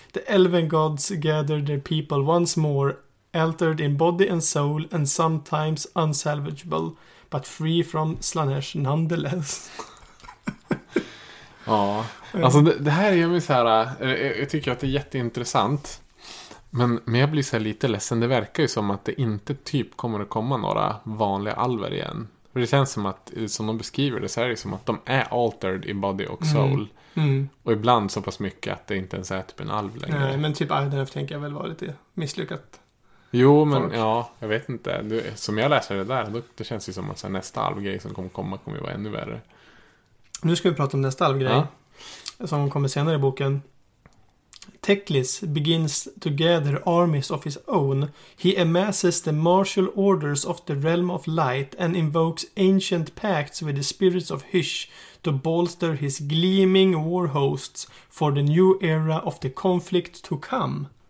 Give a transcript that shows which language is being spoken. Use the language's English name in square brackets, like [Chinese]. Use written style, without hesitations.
[English] The elven gods gathered their people once more, altered in body and soul, and sometimes unsalvageable, but free from Slanesh nonetheless. [Swedish] Ja, alltså det här gör mig så här, jag tycker att det är jätteintressant, men jag blir så här lite ledsen, det verkar ju som att det inte typ kommer att komma några vanliga alver igen. För det känns som att, som de beskriver det, så här är det som att de är [English] altered in body [Swedish] och [English] soul, [Swedish] och ibland så pass mycket att det inte ens är typ en alv längre. Nej, men typ IDF tänker jag väl vara lite misslyckat. Jo, men folk. Ja, jag vet inte, som jag läser det där, det känns ju som att så här, nästa alvgrej som kommer vara ännu värre. Nu ska vi prata om nästa alvgrej som kommer senare i boken. [English] Teclis begins to gather armies of his own. He amasses the martial orders of the realm of light and invokes ancient pacts with the spirits of Hysh to bolster his gleaming war hosts for the new era of the conflict to come.